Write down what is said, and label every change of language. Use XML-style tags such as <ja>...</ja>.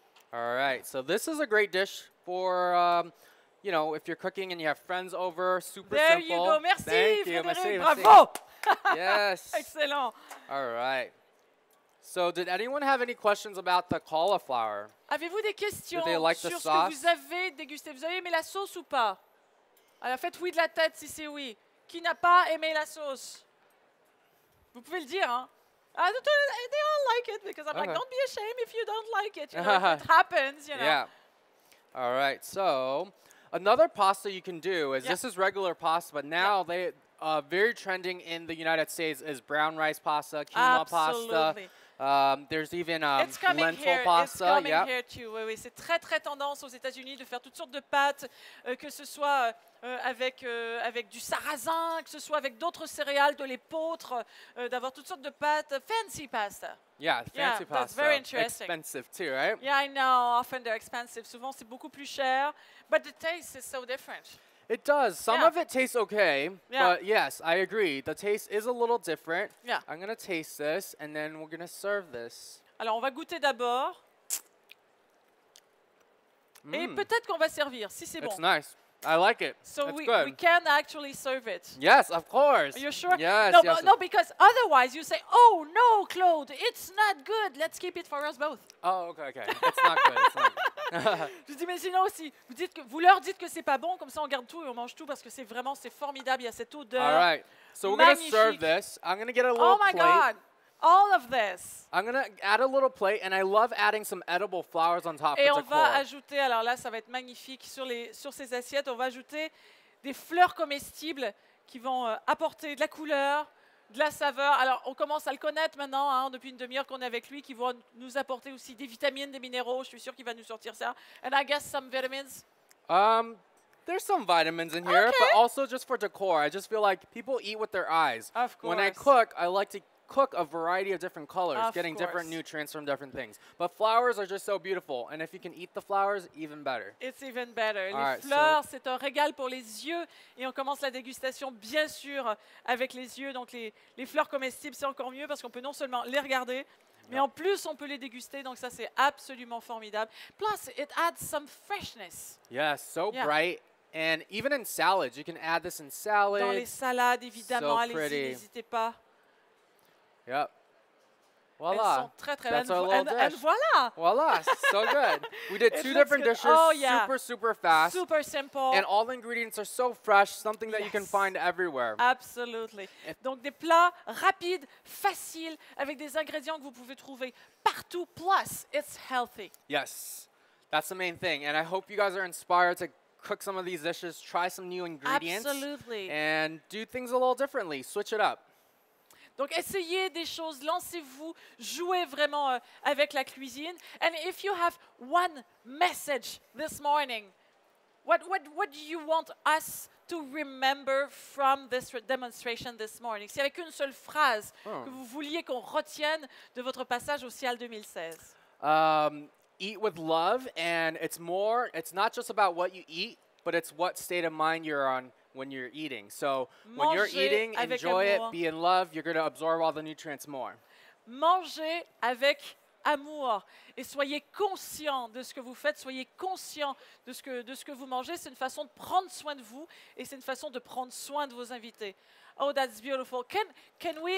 <en>All right, so this is a great dish for, you know, if you're cooking and you have friends over, super there simple. There you go. Merci, Frédéric. Bravo. Yes. Excellent. All right. So did anyone have any questions about the cauliflower?</en> <fr>Avez-vous des questions sur ce que vous avez dégusté? Vous avez aimé la sauce ou pas? Alors faites oui de la tête si c'est oui. Qui n'a pas aimé la sauce? Vous pouvez le dire, hein?</fr> <en>They all like it because I'm okay. Like, don't be ashamed if you don't like it. You know, it happens, you know. Yeah. All right. So another pasta you can do is this is regular pasta, but now they are very trending in the United States is brown rice pasta, quinoa pasta. There's even lentil pasta. It's coming here too.</en> <fr>Oui, oui. C'est très, très tendance aux États-Unis de faire toutes sortes de pâtes, que ce soit avec du sarrasin, que ce soit avec d'autres céréales, de l'épeautre, d'avoir toutes sortes de pâtes.</fr> <en>Fancy pasta. Fancy pasta. That's very interesting. Expensive too, right? Yeah, I know. Often they're expensive.</en> <fr>Souvent, c'est beaucoup plus cher.</fr> <en>But the taste is so different. It does. Some of it tastes okay, but yes, I agree. The taste is a little different. Yeah. I'm going to taste this, and then we're going to serve this.</en> <fr>Alors, on va goûter d'abord. Mm. Et peut-être qu'on va servir, si c'est bon.</fr> <en>It's nice. I like it. So it's good. We can actually serve it. Yes, of course. Are you sure? Yes. No, yes. No, because otherwise you say, oh, no, Claude, it's not good. Let's keep it for us both. Oh, okay. It's not good.</en> <fr>Je dis, mais sinon aussi, vous leur dites que c'est pas bon, comme ça on garde tout et on mange tout parce que c'est formidable. Il y a cette odeur.</fr> <en>All right. So we're going to serve this. I'm going to get a little plate. Oh, my God. All of this. I'm going to add a little plate, and I love adding some edible flowers on top.</en> <fr>Et on va ajouter, alors là, ça va être magnifique, sur ces assiettes, on va ajouter des fleurs comestibles qui vont apporter de la couleur, de la saveur. Alors, on commence à le connaître maintenant, hein, depuis une demi-heure qu'on est avec lui, qui vont nous apporter aussi des vitamines, des minéraux. Je suis sûre qu'il va nous sortir ça.</fr> <en>And I guess some vitamins. There's some vitamins in here, but also just for decor. I just feel like people eat with their eyes. Of course. When I cook, I like to cook a variety of different colors, different nutrients from different things. But flowers are just so beautiful. And if you can eat the flowers, even better. It's even better.</en> <fr>All les right, fleurs, so c'est un régal pour les yeux. Et on commence la dégustation, bien sûr, avec les yeux. Donc les fleurs comestibles, c'est encore mieux parce qu'on peut non seulement les regarder, mais en plus, on peut les déguster. Donc ça, c'est absolument formidable. Plus,</fr> <en>it adds some freshness. Bright. And even in salads, you can add this in salads.</en> <fr>Dans les salades, évidemment. So allez-y, n'hésitez pas.</fr> <en>Yep. Voilà. And voila. Voilà. So good. We did two different dishes. Oh, yeah. Super, super fast. Super simple. And all the ingredients are so fresh, something that you can find everywhere. Absolutely.</en> <fr>Donc, des plats rapides, faciles, avec des ingrédients que vous pouvez trouver partout.</fr> <en>Plus, it's healthy. Yes. That's the main thing. And I hope you guys are inspired to cook some of these dishes, try some new ingredients. Absolutely. And do things a little differently. Switch it up.</en> <fr>Donc essayez des choses, lancez-vous, jouez vraiment avec la cuisine.</fr> <en>And if you have one message this morning, what do you want us to remember from this demonstration this morning?</en> <fr>S'il y avait qu'une seule phrase que vous vouliez qu'on retienne de votre passage au SIAL 2016.</fr> <en>Eat with love, and it's not just about what you eat, but it's what state of mind you're on when you're eating. So</en> <fr>manger</fr> <en>when you're eating, enjoy</en> <fr>amour.</fr> <en>It, be in love, you're going to absorb all the nutrients more.</en> <fr>Manger avec amour et soyez conscient de ce que vous faites, soyez conscient de ce que vous mangez. C'est une façon de prendre soin de vous et c'est une façon de prendre soin de vos invités.</fr> <en>Oh, that's beautiful. Can we</en>